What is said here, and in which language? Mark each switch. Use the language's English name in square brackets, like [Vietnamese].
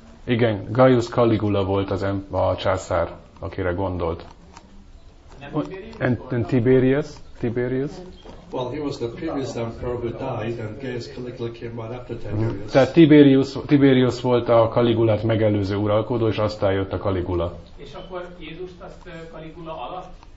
[Hungarian] Igen, Gaius Caligula volt az a császár, akire gondolt. [English] And Tiberius? Well, he was the previous emperor who died, and Gaius Caligula came right after Tiberius. [Hungarian] Tehát Tiberius volt a Caligulát megelőző uralkodó, és aztán jött a Caligula. És akkor Jézust azt Caligula alatt?